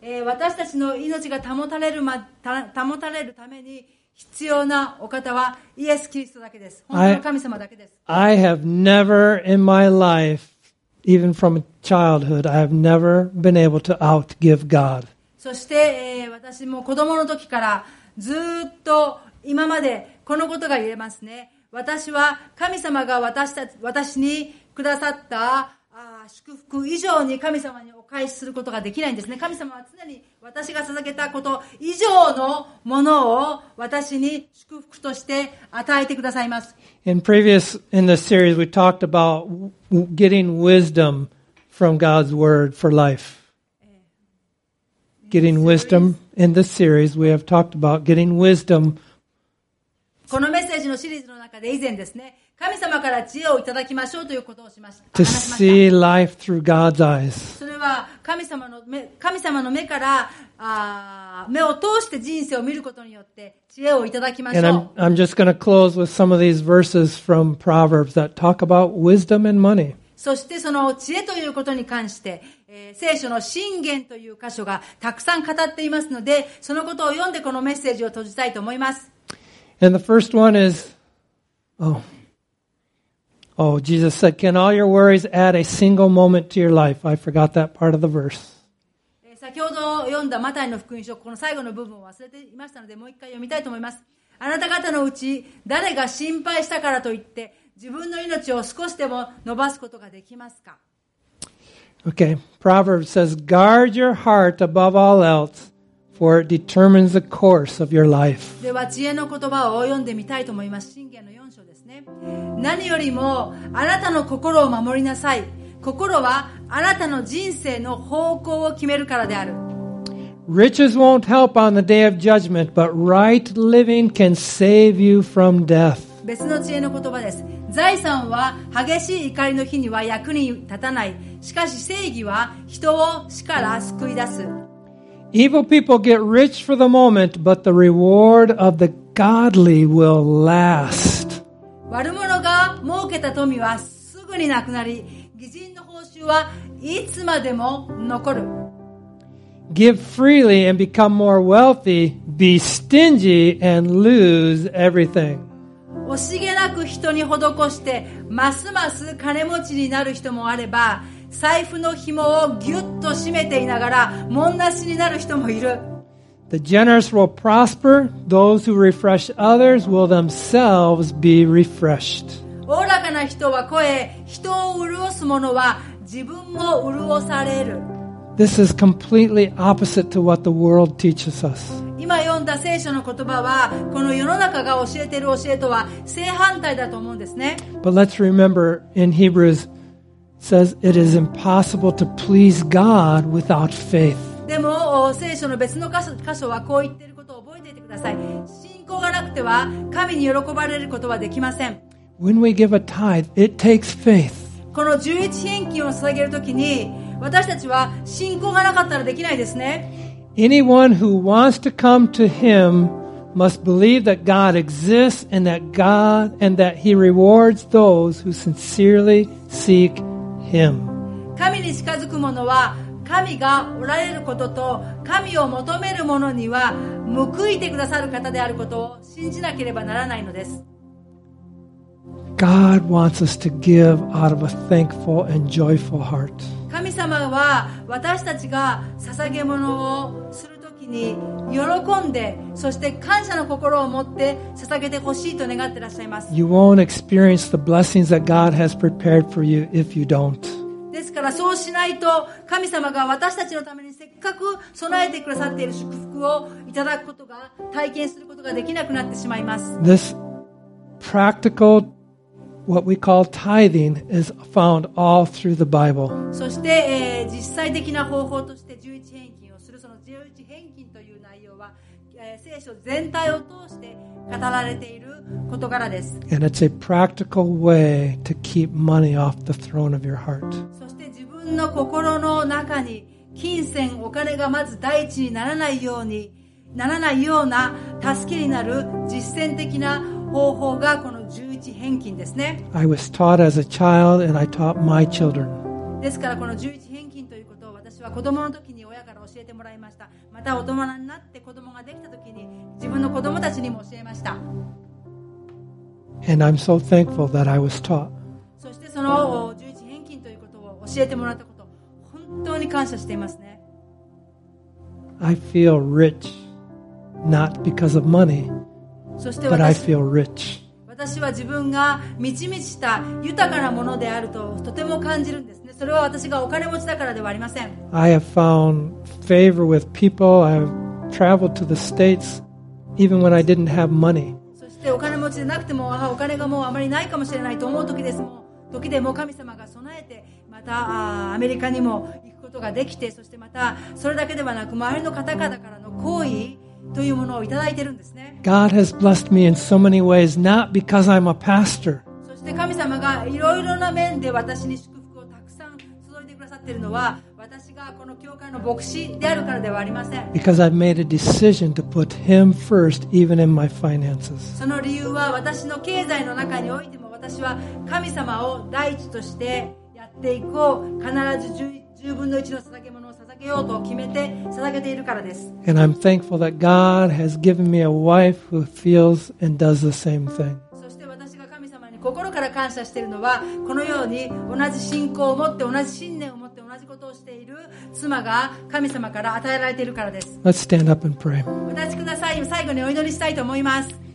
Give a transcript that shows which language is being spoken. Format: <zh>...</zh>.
<ja>私たちの命が保たれるために必要なお方はイエス・キリストだけです。本当の神様だけです。</ja> <en>I have never in my life, even from childhood, I have never been able to outgive God.</en> <ja>そして、私も子供の時からずっと今までこのことが言えますね。私は神様が私にくださった祝福以上に神様にお返しすることができないんですね。神様は常に私が捧げたこと以上のものを私に祝福として与えてくださいます。</ja> <en>In this series, we talked about getting wisdom from God's word for life. Getting wisdom in this series, we have talked about getting wisdom.</en> <ja>このメッセージのシリーズの中で以前ですね。神様から知恵をいただきましょうということをしました。</ja> <en>To see life through God's eyes.</en> <ja>それは神様の目から目を通して人生を見ることによって知恵をいただきましょう。</ja> <en>And I'm just going to close with some of these verses from Proverbs that talk about wisdom and money.</en> <ja>そしてその知恵ということに関して、聖書の箴言という箇所がたくさん語っていますので、そのことを読んでこのメッセージを閉じたいと思います。</ja> <en>And the first one is, oh. Oh, Jesus said, can all your worries add a single moment to your life? I forgot that part of the verse.</en> <ja>先ほど読んだマタイの福音書、この最後の部分を忘れていましたので、もう一回読みたいと思います。あなた方のうち、誰が心配したからといって、自分の命を少しでも伸ばすことができますか?</ja> <en>Okay. Proverbs says, guard your heart above all else, for it determines the course of your life.</en> <ja>では、知恵の言葉を読んでみたいと思います。箴言の4章ですね。何よりも、あなたの心を守りなさい。心はあなたの人生の方向を決めるからである。</ja> <en>Riches won't help on the day of judgment, but right living can save you from death.</en> <ja>別の知恵の言葉です。財産は激しい怒りの日には役に立たない。しかし正義は人を死から救い出す。</ja> <en>Evil people get rich for the moment, but the reward of the godly will last.</en> <ja>悪者が儲けた富はすぐになくなり、はいつまでも残る。</ja> <en>Give freely and become more wealthy. Be stingy and lose everything.</en> <ja>惜しげなく人に施してますます金持ちになる人もあれば、財布の紐をギュッと締めていながらもんなしになる人もいる。</ja> <en>The generous will prosper. Those who refresh others will themselves be refreshed.</en> <ja>おおらかな人は肥え、人を潤す者は自分も潤される。</ja> <en>This is completely opposite to what the world teaches us.</en> <ja>今読んだ聖書の言葉は、この世の中が教えている教えとは正反対だと思うんですね。</ja> <en>But let's remember, in Hebrews, it says it is impossible to please God without faith.</en> <ja>でも聖書の別の箇所はこう言っていることを覚えていてください。信仰がなくては神に喜ばれることはできません。</ja> <en>When we give a tithe, it takes faith.</en> <ja>この十一献金を捧げるときに、私たちは信仰がなかったらできないですね。</ja> <en>Anyone who wants to come to him must believe that God exists and that God and that he rewards those who sincerely seek him.</en> <ja>神に近づく者は神がおられることと、神を求める者には報いてくださる方であることを信じなければならないのです。</ja> <en>God wants us to give out of a thankful and joyful heart.</en> <ja>神様は私たちが捧げ物をするときに喜んで、そして感謝の心を持って捧げてほしいと願っていらっしゃいます。</ja> <en>You won't experience the blessings that God has prepared for you if you don't.</en> <ja>ですからそうしないと、神様が私たちのためにせっかく備えてくださっている祝福をいただくことが、体験することができなくなってしまいます。</ja> <en>This practical What we call tithing is found all through the Bible.</en> <ja>そして、実際的な方法として十一献金をする、その十一献金という内容は、聖書全体を通して語られている事柄です。</ja> <en>And it's a practical way to keep money off the throne of your heart.</en> <ja>そして自分の心の中に金銭、お金がまず第一にならないようにならないような助けになる実践的な方法がこの十一返金ですね。</ja> <en>I was taught as a child and I taught my children.</en> <ja>ですからこの十一返金ということを私は子供の時に親から教えてもらいました。また大人になって子供ができた時に自分の子供たちにも教えました。</ja> <en>And I'm so thankful that I was taught.</en> <ja>そしてその十一返金ということを教えてもらったこと、本当に感謝していますね。</ja> <en>I feel rich, not because of money.</en> <ja>そして私は自分が満ち満ちた豊かなものであるととても感じるんですね。それは私がお金持ちだからではありません。</ja> <en>I have found favor with people. I have traveled to the States even when I didn't have money.</en> <ja>そしてお金持ちでなくても、お金がもうあまりないかもしれないと思う時ですも、時でも神様が備えて、またアメリカにも行くことができて、そしてまたそれだけではなく周りの方々からの好意というものをいただいているんですね。</ja> <en>God has blessed me in so many ways, not because I'm a pastor.</en> <ja>そして神様がいろいろな面で私に祝福をたくさん注いでくださっているのは、私がこの教会の牧師であるからではありません。</ja> <en>Because I've made a decision to put Him first, even in my finances.</en> <ja>その理由は私の経済の中においても、私は神様を第一としてやっていこう。必ず十分の一の捧げ物を捧げようと決めて捧げているからです。</ja> <en>And I'm thankful that God has given me a wife who feels and does the same thing.</en> <ja>そして私が神様に心から感謝しているのは、このように同じ信仰を持って同じ信念を持って同じことをしている妻が神様から与えられているからです。</ja> <en>Let's stand up and pray.</en> <ja>お立ちください。最後にお祈りしたいと思います。</ja>